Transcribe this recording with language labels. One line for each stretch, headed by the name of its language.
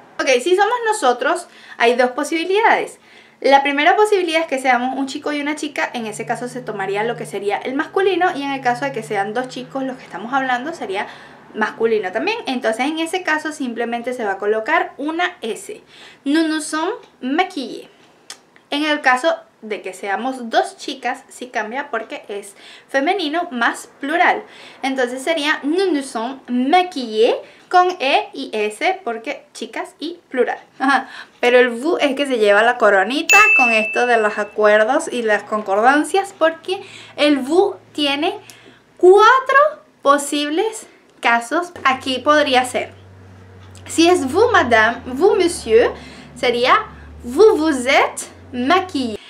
Spanish: Ok, si somos nosotros, hay dos posibilidades. La primera posibilidad es que seamos un chico y una chica, en ese caso se tomaría lo que sería el masculino, y en el caso de que sean dos chicos los que estamos hablando sería masculino también. Entonces en ese caso simplemente se va a colocar una S.
French: Nous nous sommes maquillés.
Spanish: En el caso de que seamos dos chicas sí cambia porque es femenino más plural. Entonces sería
French: nous nous sommes maquillés
Spanish: con E y S porque chicas y plural. Pero el VU es que se lleva la coronita con esto de los acuerdos y las concordancias, porque el VU tiene cuatro posibles casos. Aquí podría ser: si es
French: vous madame, vous monsieur,
Spanish: sería
French: vous vous êtes maquillé.